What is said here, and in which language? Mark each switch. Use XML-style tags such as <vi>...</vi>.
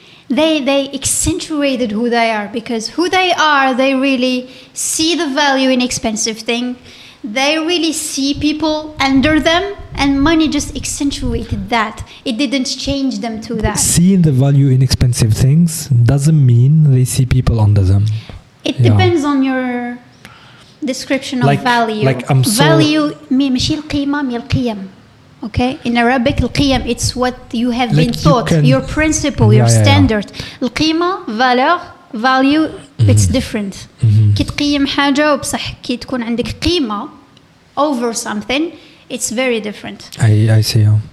<en>they accentuated who they are, because who they are, they really see the value in expensive thing. They really see people under them, and money just accentuated that. It didn't change them to that. Seeing the value in expensive things doesn't mean they see people under them. It depends on your description of like, value. Like I'm</en> <ar>value, ماشي القيمة مي القيم.</ar> <en>Okay, in Arabic, القيم, it's what you have like been taught, you can, your principle, your standard. القيمة, valeur, value, it's different.</en> <ar>كي تقيم حاجة وبصح كي تكون عندك قيمة</ar> <en>over something, it's very different. I see.</en>